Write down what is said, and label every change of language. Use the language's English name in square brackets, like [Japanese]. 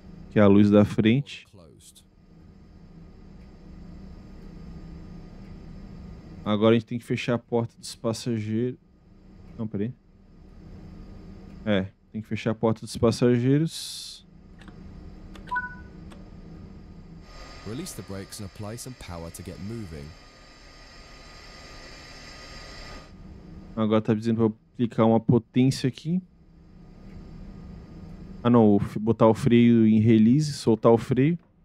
[Portuguese] Que é a luz da frente. Agora a gente tem que fechar a porta dos passageiros. Não, peraí. É, tem que fechar a porta dos passageiros. [English] Release the brakes and apply some power to get moving. [Portuguese] Agora tá dizendo para aplicar uma potência aqui. Ah não, botar o freio em release, soltar o freio.